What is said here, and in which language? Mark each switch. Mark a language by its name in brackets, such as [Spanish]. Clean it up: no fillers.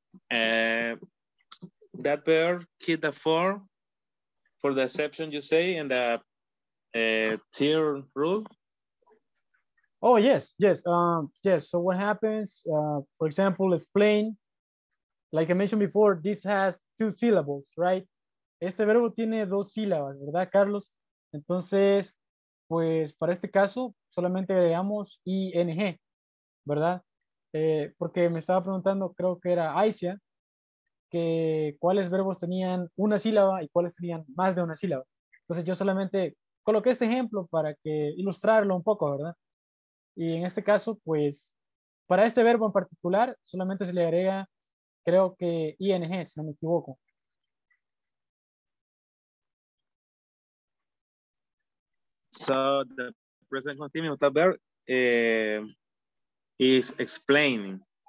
[English] That bear killed the four for the exception, you say, in the tier rule? Oh, yes, yes, yes. So what happens, for example, explain, like I mentioned before, this has two syllables, right? [Spanish] Este verbo tiene dos sílabas, ¿verdad, Carlos? Entonces, pues para este caso, solamente agregamos ing, ¿verdad? Porque me estaba preguntando, creo que era Aisha, que cuáles verbos tenían una sílaba y cuáles tenían más de una sílaba. Entonces yo solamente coloqué este ejemplo para que ilustrarlo un poco, ¿verdad? Y en este caso, pues, para este verbo en particular, solamente se le agrega, creo que ing, si no me equivoco. [English] So the present continuous of the verb is explaining.